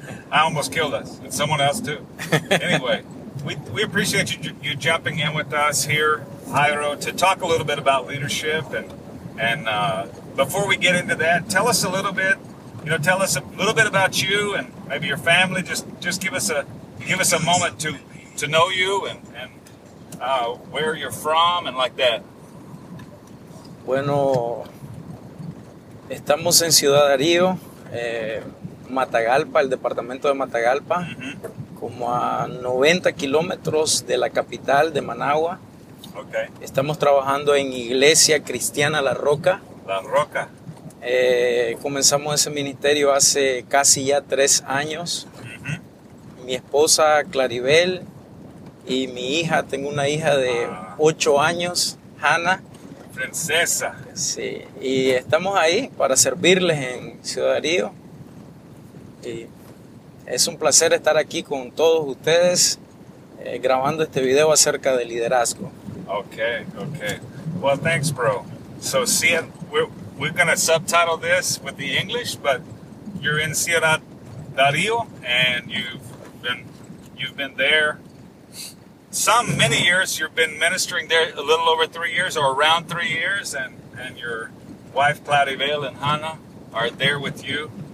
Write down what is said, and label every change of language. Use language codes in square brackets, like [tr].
[en] I almost killed us and someone else too. Anyway, we appreciate you jumping in with us here, Jairo, to talk a little bit about leadership. And before we get into that, tell us a little bit, you know, tell us a little bit about you and maybe your family. Just give us a moment to know you and where you're from and like that. [es] Bueno, estamos en Ciudad Darío, Matagalpa, el departamento de Matagalpa, como a 90 kilómetros de la capital de Managua. [en] Okay. [es] Estamos trabajando en Iglesia Cristiana La Roca. La Roca. Comenzamos ese ministerio hace casi ya 3 años. Mi esposa Claribel y mi hija, tengo una hija de 8 años, Hannah. Princesa. Sí, y estamos ahí para servirles en Ciudad Darío. Y es un placer estar aquí con todos ustedes grabando este video acerca de liderazgo. [en] Okay. Well, thanks, bro. So, we're going to subtitle this with the English, but you're in Ciudad Darío, and you've been there many years. You've been ministering there a little over 3 years or around 3 years, and your wife, Claribel, and Hannah are there with you.